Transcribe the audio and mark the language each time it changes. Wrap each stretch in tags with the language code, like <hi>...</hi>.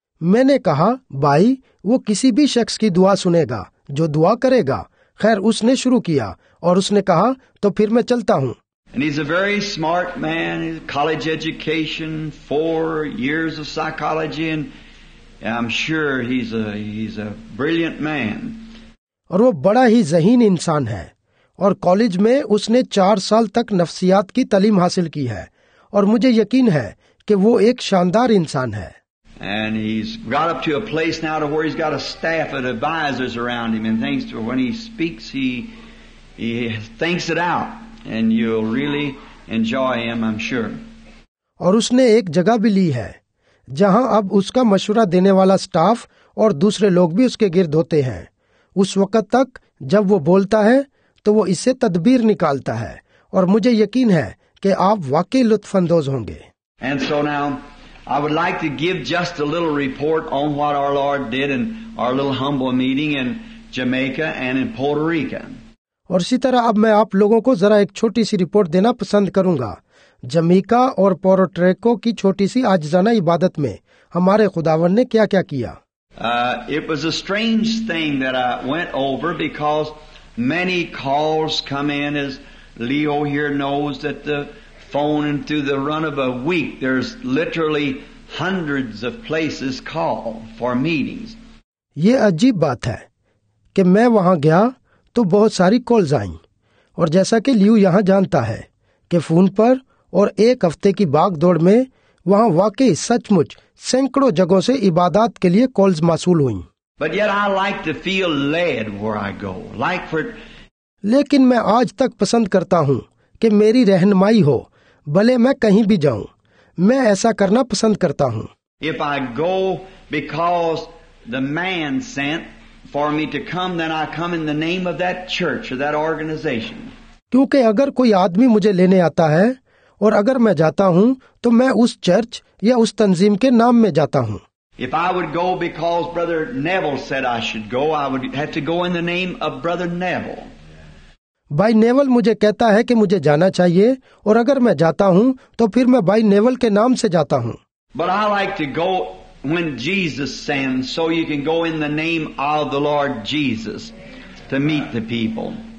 <hi>मैंने कहा, भाई, वो किसी भी शख्स की दुआ सुनेगा जो दुआ करेगा। खैर, उसने शुरू किया और उसने कहा, तो फिर मैं चलता हूँ।</hi> <en>And he's a very smart man. He's college education, 4 years of psychology, and I'm sure he's a brilliant man.</en> <hi>और वो बड़ा ही ज़हीन इंसान है। और कॉलेज में उसने 4 साल तक नफ्सियात की तालीम हासिल की है। और मुझे यकीन है कि वो एक शानदार इंसान है।</hi> <en>And he's got up to a place now to where he's got a staff of advisors around him, and thanks to when he speaks, he thinks it out. And you'll really enjoy him, I'm sure.</en> <hi>और उसने एक जगह भी ली है जहां अब उसका मशवरा देने वाला स्टाफ और दूसरे लोग भी उसके गिर्द होते हैं। उस वक्त तक जब वो बोलता है तो वो इससे तदबीर निकालता है और मुझे यकीन है कि आप वाकई लुत्फंदोज होंगे।</hi> <en>And so now, I would like to give just a little report on what our Lord did in our little humble meeting in Jamaica and in Puerto Rico.</en> <hi>और इसी तरह अब मैं आप लोगों को जरा एक छोटी सी रिपोर्ट देना पसंद करूंगा जमैका और पोर्टो रिको की छोटी सी आजजाना इबादत में हमारे खुदावन ने क्या क्या किया।</hi> <en>It was a strange thing that I went over because many calls come in, as Leo here knows, that the phone, and through the run of a week there's literally hundreds of places call for meetings.</en> <hi>ये अजीब बात है कि मैं वहां गया तो बहुत सारी कॉल्स आई और जैसा कि लियू यहाँ जानता है कि फोन पर और एक हफ्ते की भाग दौड़ में वहाँ वाकई सचमुच सैकड़ों जगहों से इबादत के लिए कॉल्स मासूल हुई।</hi> <en>But yet I like to feel led where I go. Like for...</en> <hi>लेकिन मैं आज तक पसंद करता हूँ कि मेरी रहनुमाई हो भले मैं कहीं भी जाऊँ। मैं ऐसा करना पसंद करता हूँ।</hi> <en>If I go because the man sent for me to come, then I come in the name of that church or that organization.</en> <hi>क्योंकि अगर कोई आदमी मुझे लेने आता है और अगर मैं जाता हूँ तो मैं उस चर्च या उस तंजीम के नाम में जाता हूँ।</hi> <en>If I would go because Brother Neville said I should go, I would have to go in the name of Brother Neville.</en> <hi>भाई नेवल मुझे कहता है कि मुझे जाना चाहिए और अगर मैं जाता हूँ तो फिर मैं भाई नेवल के नाम से जाता हूँ।</hi> <en>But I like to go when Jesus sends, so you can go in the name of the Lord Jesus to meet the people.</en>